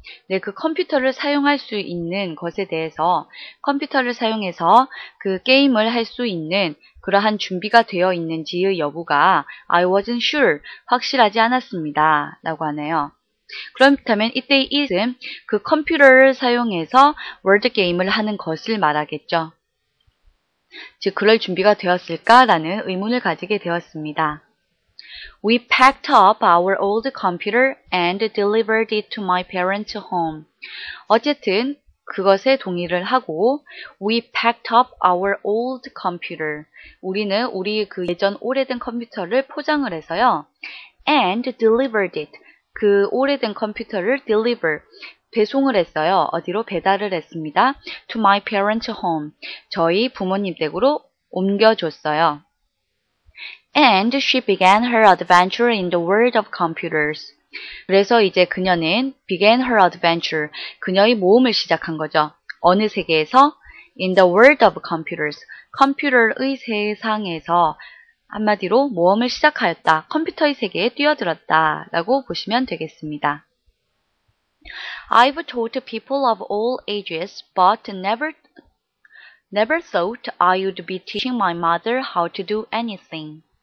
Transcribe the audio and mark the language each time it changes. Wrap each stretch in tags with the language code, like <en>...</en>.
<ko>네, 그 컴퓨터를 사용할 수 있는 것에 대해서 컴퓨터를 사용해서 그 게임을 할 수 있는 그러한 준비가 되어 있는지의 여부가</ko> <en>I wasn't sure,</en> <ko>확실하지 않았습니다 라고 하네요. 그렇다면 it day is은 그 컴퓨터를 사용해서 word 게임을 하는 것을 말하겠죠. 즉 그럴 준비가 되었을까 라는 의문을 가지게 되었습니다.</ko> <en>We packed up our old computer and delivered it to my parents' home.</en> <ko>어쨌든 그것에 동의를 하고</ko> <en>We packed up our old computer.</en> <ko>우리는 우리 그 예전 오래된 컴퓨터를 포장을 해서요.</ko> <en>And delivered it.</en> <ko>그 오래된 컴퓨터를 deliver. 배송을 했어요. 어디로 배달을 했습니다.</ko> <en>To my parents' home.</en> <ko>저희 부모님 댁으로 옮겨줬어요.</ko> <en>And she began her adventure in the world of computers.</en> <ko>그래서 이제 그녀는</ko> <en>began her adventure,</en> <ko>그녀의 모험을 시작한 거죠. 어느 세계에서?</ko> <en>In the world of computers,</en> <ko>컴퓨터의 세상에서 한마디로 모험을 시작하였다. 컴퓨터의 세계에 뛰어들었다. 라고 보시면 되겠습니다.</ko> <en>I've taught people of all ages, but never thought I would be teaching my mother how to do anything.</en>